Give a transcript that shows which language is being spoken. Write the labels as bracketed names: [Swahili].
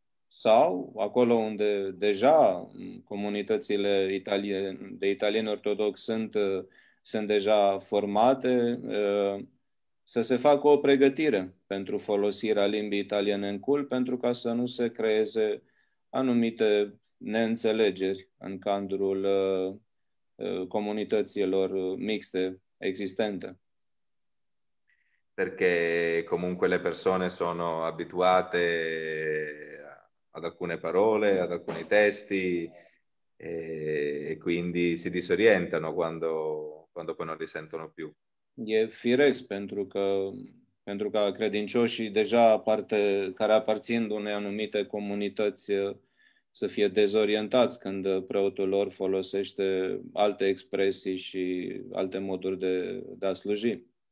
[Romanian] Sau acolo unde deja comunitățile de italieni ortodoxi sunt deja formate, să se facă o pregătire pentru folosirea limbii italiene în cult, pentru ca să nu se creeze anumite neînțelegeri în cadrul comunităților mixte existente. [Italian] Perché comunque le persone sono abituate ad alcune parole, ad alcuni testi, e quindi si disorientano quando poi non li sentono più. [Romanian] E firesc pentru că credincioșii deja care aparțin unei anumite comunități să fie dezorientați când preotul lor folosește alte expresii și alte moduri de a sluji.